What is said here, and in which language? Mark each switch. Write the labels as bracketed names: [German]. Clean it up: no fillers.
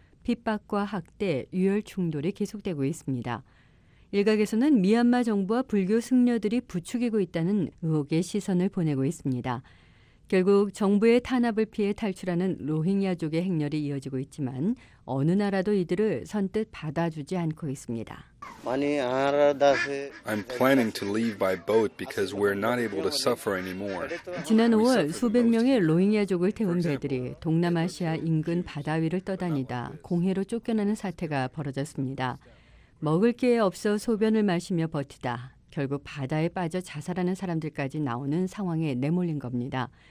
[Korean] 핍박과 학대, 유혈 충돌이 계속되고 있습니다. 일각에서는 미얀마 정부와 불교 승려들이 부추기고 있다는 의혹의 시선을 보내고 있습니다. 결국 정부의 탄압을 피해 탈출하는 로힝야족의 행렬이 이어지고 있지만 어느 나라도 이들을 선뜻 받아주지 않고 있습니다. [English] I'm planning to leave by boat because we're not able to suffer anymore. [Korean] 지난 5월 수백 명의 로힝야족을 태운 배들이 동남아시아 인근 바다 위를 떠다니다 공해로 쫓겨나는 사태가 벌어졌습니다. 먹을 게 없어 소변을 마시며 버티다 결국 바다에 빠져 자살하는 사람들까지 나오는 상황에 내몰린 겁니다.